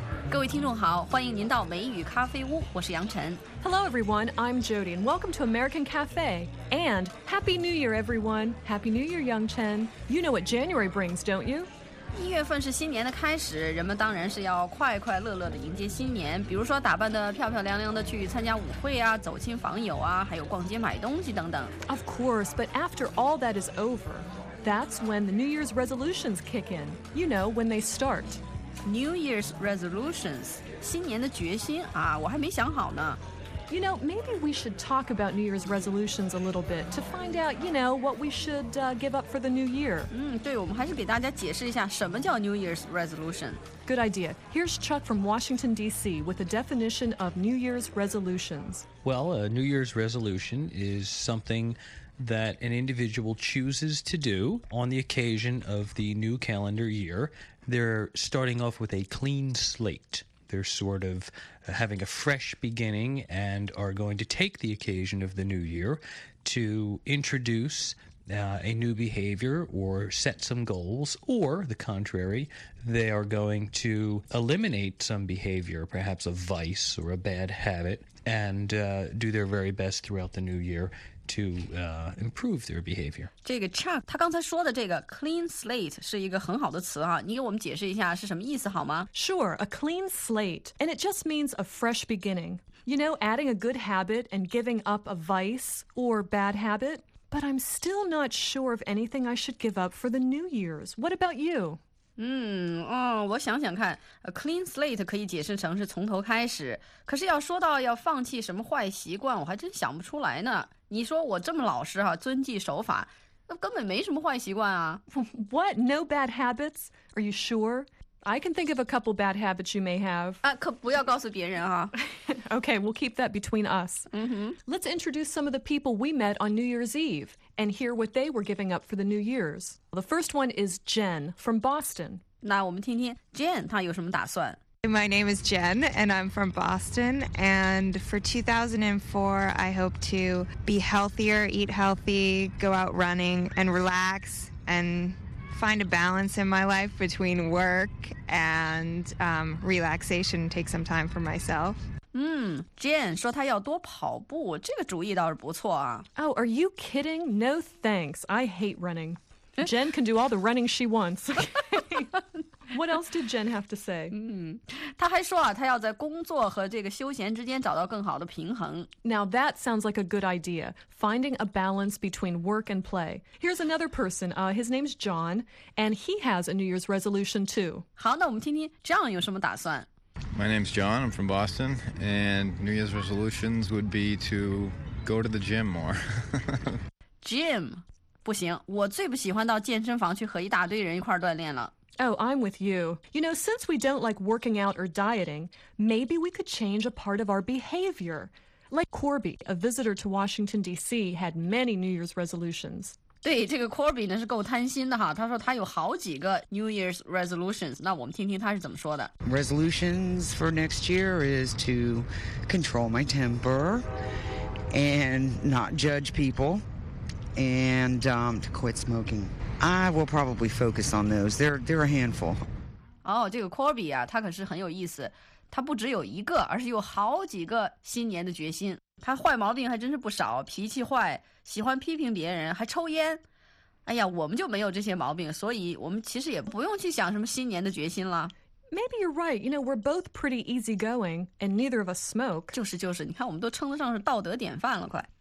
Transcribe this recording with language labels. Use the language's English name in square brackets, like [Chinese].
[Chinese] 各位听众好，欢迎您到美语咖啡屋，我是杨晨。 [English] Hello everyone, I'm Jody, and welcome to American Cafe. And Happy New Year, everyone. Happy New Year, Yang Chen. You know what January brings, don't you? [Chinese] 一月份是新年的开始，人们当然是要快快乐乐的迎接新年，比如说打扮得漂漂亮亮的去参加舞会啊，走亲访友啊，还有逛街买东西等等。 [English] Of course, but after all that is over, that's when the New Year's resolutions kick in. You know, when they start. New Year's resolutions, [Chinese] 新年的决心啊，我还没想好呢。 [English] You know, maybe we should talk about New Year's resolutions a little bit to find out, you know, what we should give up for the new year. [Chinese] 对，我们还是给大家解释一下什么叫 [English] New Year's resolution. Good idea. Here's Chuck from Washington, D.C. with a definition of New Year's resolutions. Well, a New Year's resolution is something that an individual chooses to do on the occasion of the new calendar year. They're starting off with a clean slate. They're sort of having a fresh beginning and are going to take the occasion of the new year to introduce a new behavior or set some goals, or the contrary, they are going to eliminate some behavior, perhaps a vice or a bad habit, and do their very best throughout the new year. To improve their behavior. [Chinese] 这个 Chuck, 他刚才说的这个 [English] clean slate [Chinese] 是一个很好的词啊，你给我们解释一下是什么意思好吗？ [English] Sure, a clean slate, and it just means a fresh beginning. You know, adding a good habit and giving up a vice or bad habit. But I'm still not sure of anything I should give up for the New Year's. What about you? [Chinese] 我想想看 ， [English] a clean slate [Chinese] 可以解释成是从头开始。可是要说到要放弃什么坏习惯，我还真想不出来呢。你说我这么老实哈、啊，遵纪守法，那根本没什么坏习惯啊。 [English] What? No bad habits? Are you sure? I can think of a couple bad habits you may have. [Chinese] 啊，可不要告诉别人啊。 [English] Okay, we'll keep that between us. Let's introduce some of the people we met on New Year's Eve. And hear what they were giving up for the New Year's. The first one is Jen from Boston. [Chinese] 那我们听听 Jen 她有什么打算 [English] My name is Jen and I'm from Boston. And for 2004, I hope to be healthier, eat healthy, go out running and relax and find a balance in my life between work and relaxation, take some time for myself. [Chinese] Jen 说她要多跑步，这个主意倒是不错啊。 [English] Oh, are you kidding? No thanks. I hate running. Jen can do all the running she wants. What else did Jen have to say? [Chinese] 她还说啊，她要在工作和这个休闲之间找到更好的平衡。 [English] Now that sounds like a good idea, finding a balance between work and play. Here's another person. His name's John, and he has a New Year's resolution too. [Chinese] 好，那我们听听 John 有什么打算。 [English] My name's John, I'm from Boston, and New Year's resolutions would be to go to the gym more. Gym? [Chinese] 不行，我最不喜欢到健身房去和一大堆人一块锻炼了。 [English] Oh, I'm with you. You know, since we don't like working out or dieting, maybe we could change a part of our behavior. Like Corby, a visitor to Washington, D.C., had many New Year's resolutions. [Chinese] 对这个 Corby 呢是够贪心的哈，他说他有好几个 [English] New Year's resolutions， [Chinese] 那我们听听他是怎么说的。 [English] Resolutions for next year is to control my temper and not judge people and to quit smoking. I will probably focus on those. They're a handful. [Chinese] 哦，这个 Corby 啊，他可是很有意思，他不只有一个，而是有好几个新年的决心。他坏毛病还真是不少，脾气坏，喜欢批评别人，还抽烟。哎呀，我们就没有这些毛病，所以我们其实也不用去想什么新年的决心了。 [English] Maybe you're right. You know, we're both pretty easygoing, and neither of us smoke. [Chinese] 就是就是，你看我们都称得上是道德典范了，快。